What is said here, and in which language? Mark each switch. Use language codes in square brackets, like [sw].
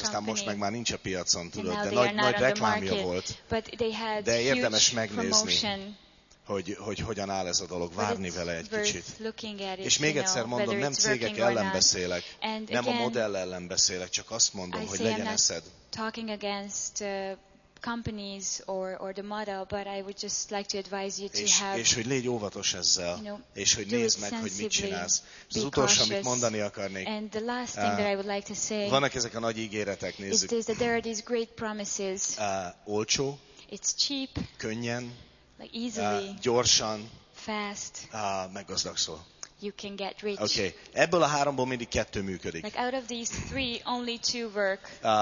[hu] aztán most meg már nincs a piacon, tudod, de nagy reklámja volt. De érdemes megnézni, hogy hogyan áll ez a dolog, várni vele egy kicsit. És még egyszer mondom, nem cégek ellen beszélek, nem a modell ellen beszélek, csak azt mondom, hogy legyen eszed. [en] Talking against companies or the model, but I would just like to advise you to [hu] és hogy légy óvatos ezzel, [en] you know, [hu] és hogy nézd meg, hogy mit csinálsz. Az utolsó, amit mondani akarnék. [en] And the last thing that I would like to say. [hu] Vannak ezek a nagy ígéretek, nézzük. [en] Is that there are these great promises. [hu] Olcsó. [en] It's cheap. [hu] Könnyen. [en] Like easily. [hu] Gyorsan. [en] Fast. [hu] Meggazdagszol. [en] You can get rich. Okay. [hu] Ebből a háromból mindig kettő működik. [en] Like out of these three, only two work.